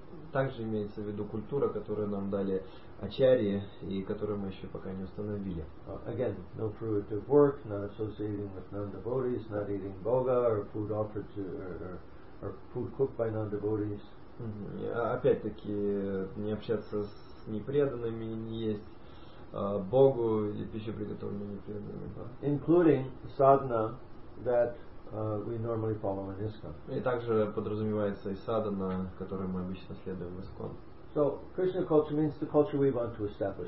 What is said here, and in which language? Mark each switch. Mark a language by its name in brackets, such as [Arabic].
[Russian] Также имеется в виду культура, которую нам дали ачарьи и которую мы еще пока не установили. [English] Again, no fruitive work, not associating with non-devotees, not eating boga or food offered to or food cooked by non-devotees. [Russian] Опять-таки, не общаться с непреданными, не есть богу и пищу, приготовленную непреданными. [English] Including sadhana that we normally follow in ISKCON. [Russian] И также подразумевается и садхана, которую мы обычно следуем в ISKCON. [English] So, Krishna culture means the culture we want to establish.